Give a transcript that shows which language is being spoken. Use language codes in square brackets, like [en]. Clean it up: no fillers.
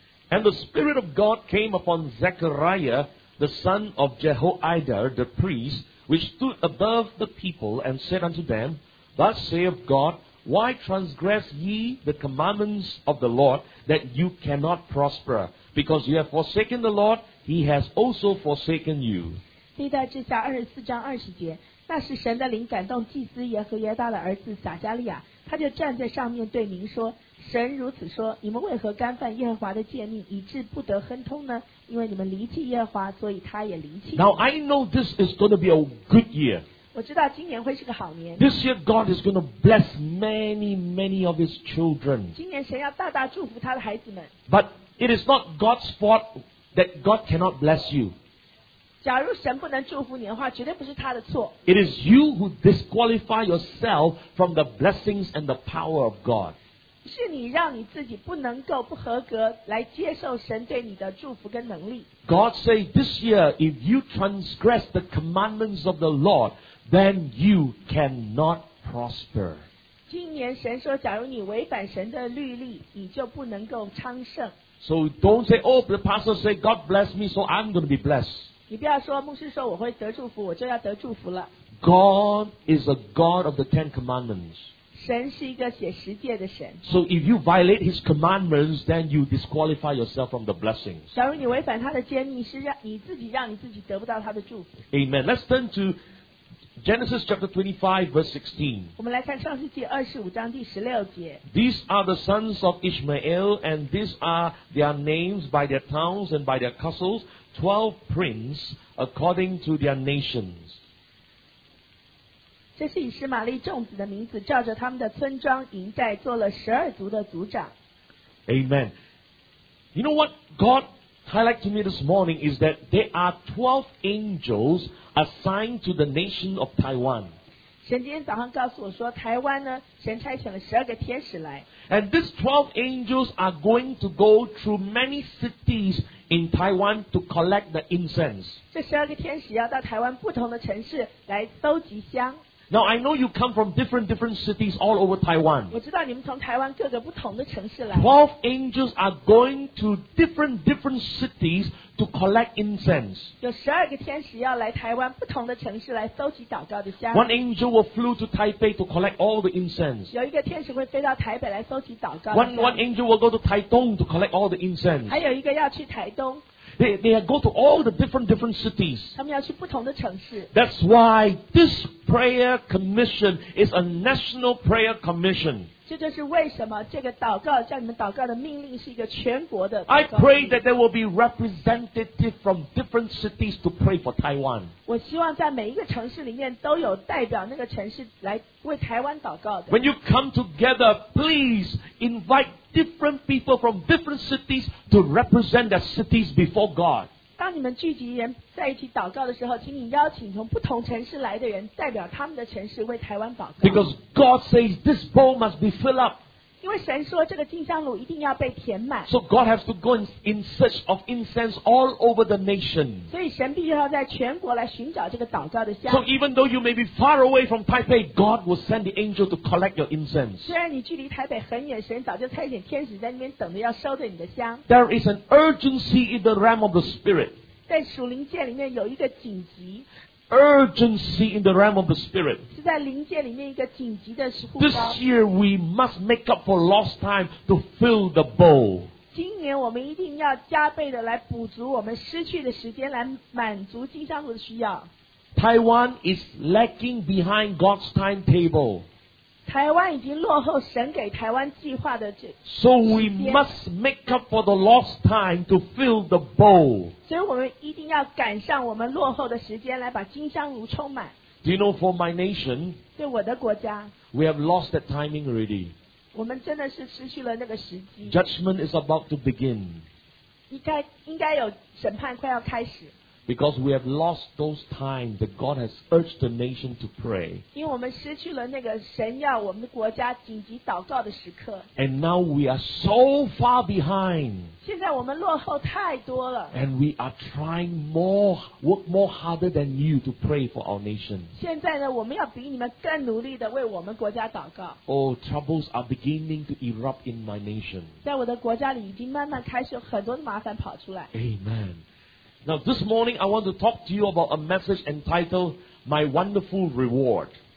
[en] And the Spirit of God came upon Zechariah, the son of Jehoiada, the priest, which stood above the people, and said unto them, Thus saith God, Why transgress ye the commandments of the Lord, that you cannot prosper? Because you have forsaken the Lord, he has also forsaken you. [zh] 历代志下24:20，那是神的灵感动祭司耶和耶大的儿子撒加利亚，他就站在上面对民说：“神如此说，你们为何干犯耶和华的诫命，以致不得亨通呢？因为你们离弃耶和华，所以他也离弃。” [en] Now I know this is going to be a good year. [zh] 我知道今年会是个好年。 [en] This year God is going to bless many, many of His children. [zh] 今年神要大大祝福他的孩子们。 [en] But it is not God's fault that God cannot bless you. [zh] 假如神不能祝福你的话，绝对不是他的错。 [en] It is you who disqualify yourself from the blessings and the power of God. [zh] 是你让你自己不能够不合格来接受神对你的祝福跟能力。 [en] God say this year, if you transgress the commandments of the Lord, then you cannot prosper. [zh] 今年神说，假如你违反神的律例，你就不能够昌盛。 [en] So don't say, oh, the pastor say God bless me, so I'm going to be blessed. [zh] 你不要说牧师说我会得祝福我就要得祝福了 [en] God is a God of the Ten Commandments [zh] 神是一个写十诫的神 [en] So if you violate His commandments then you disqualify yourself from the blessings [zh] 假如你违反他的诫命是让你自己让你自己得不到他的祝福 [en] Amen Let's turn to Genesis chapter 25 verse 16 [zh] 我们来看创世纪25:16 [en] These are the sons of Ishmael and these are their names by their towns and by their castles 12 princes according to their nations [zh] 这是以实玛利众子的名字照着他们的村庄营寨做了十二族的族长。 [en] Amen. You know what God highlighted to me this morning is that there are 12 angels assigned to the nation of Taiwan. [zh] 神今天早上告诉我说台湾呢神差遣了十二个天使来。 [en] And these 12 angels are going to go through many cities in Taiwan to collect the incense. [zh] 这十二个天使要到台湾不同的城市来搜集香。 [en] Now I know you come from different cities all over Taiwan. [zh] 我知道你们从台湾各个不同的城市来。 [en] 12 angels are going to different cities to collect incense. [zh] 有十二个天使要来台湾不同的城市来搜集祷告的香。 [en] One angel will flew to Taipei to collect all the incense. [zh] 有一个天使会飞到台北来搜集祷告。 [en] One angel will go to Taitung to collect all the incense. [zh] 还有一个要去台东。 [en] They go to all the different cities. [zh] 他们要去不同的城市。 [en] That's why this prayer commission is a national prayer commission. [zh] 这就是为什么这个祷告叫你们祷告的命令是一个全国的。 [en] I pray that there will be representative from different cities to pray for Taiwan. [zh] 我希望在每一个城市里面都有代表那个城市来为台湾祷告的。 [en] When you come together, please invite. Different people from different cities to represent their cities before God. [zh] 当你们聚集人在一起祷告的时候，请你邀请从不同城市来的人代表他们的城市为台湾祷告。 [en] Because God says this bowl must be filled up. [zh] 因为神说这个金香炉一定要被填满。 [en] So God has to go in search of incense all over the nation. [zh] 所以神必须要在全国来寻找这个祷告的香。 [en] So even though you may be far away from Taipei, God will send the angel to collect your incense. [zh] 虽然你距离台北很远，神早就差遣天使在那边等着要收着你的香。 [en] There is an urgency in the realm of the spirit. [zh] 在属灵界里面有一个紧急。 [en] Urgency in the realm of the spirit. [zh] 是在灵界里面一个紧急的呼召。 [en] This year we must make up for lost time to fill the bowl. [zh] 今年我们一定要加倍的来补足我们失去的时间，来满足金香炉的需要。 [en] Taiwan is lagging behind God's timetable. [zh] 台湾已经落后神给台湾计划的这。 [en] So we must make up for the lost time to fill the bowl. [zh] 所以我们一定要赶上我们落后的时间来把金香炉充满。 [en] Do you know for my nation? [zh] 对我的国家。 [en] We have lost that timing already. [zh] 我们真的是失去了那个时机。 [en] Judgment is about to begin. [zh] 应该有审判快要开始。 [en] Because we have lost those times that God has urged the nation to pray. [zh] 因为我们失去了那个神要我们的国家紧急祷告的时刻。 [en] And now we are so far behind. [zh] 现在我们落后太多了。 [en] And we are trying more, work more harder than you to pray for our nation. [zh] 现在呢，我们要比你们更努力的为我们国家祷告。 [en] Oh, troubles are beginning to erupt in my nation. [zh] 在我的国家里已经慢慢开始有很多的麻烦跑出来。 [en] Amen. Now this morning I want to talk to you about a message entitled My Wonderful Reward.